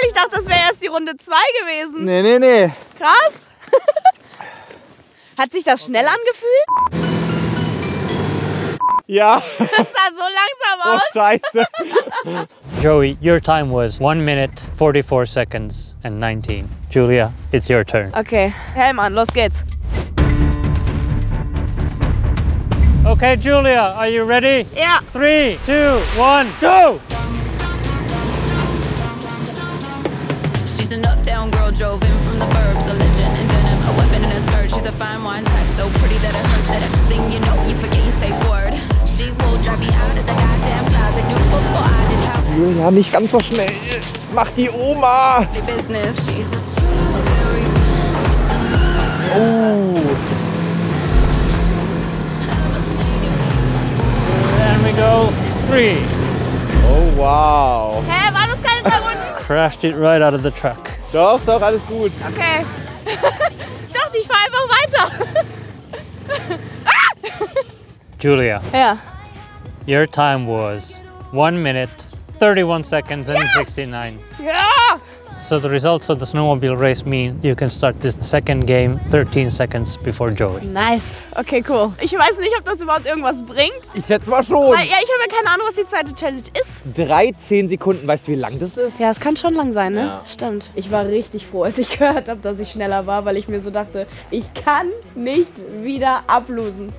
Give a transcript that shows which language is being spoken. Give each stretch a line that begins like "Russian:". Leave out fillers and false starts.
German: Ich dachte, das wäre erst die Runde 2 gewesen. Nee, nee, nee. Krass. Hat sich das schnell angefühlt? Ja. Das sah so langsam aus. Oh, scheiße.
English: Joey, your time was 1 minute 44 seconds and 19. Julia, it's your turn.
German: Okay, Helm an, los geht's.
English: Okay, Julia, are you ready? Yeah. 3, 2, 1, go! She's an uptown girl, drove in from the burbs, a legend in denim, a weapon in a skirt. She's a fine wine type, so pretty that it hurts. That next thing you know, you forget you say word. She will drive me out of the goddamn plaza, knew before I did have.
German: Julia, nicht ganz so schnell. Mach die Oma! Oh.
English: Go 3. Oh wow.
German: Hä, hey, war das keine 3 Runden?
English: Crashed it right out of the truck.
German: Doch, doch, alles gut. Okay. Doch, ich fahre einfach weiter. Julia. Ja. Yeah.
English: Your time was 1 minute 31 seconds and 69. Ja. Yeah. So the results of the snowmobile race mean you can start the second game 13 seconds before Joey. Nice. Okay, cool.
German: Ich weiß nicht, ob das überhaupt irgendwas bringt. Ich schätze mal schon. Weil, ja, ich habe ja keine Ahnung, was die zweite Challenge ist. 13 Sekunden, weißt du, wie lang das ist? Ja, es kann schon lang sein, ne? Ja. Stimmt. Ich war richtig froh, als ich gehört habe, dass ich schneller war, weil ich mir so dachte, ich kann nicht wieder ablosen.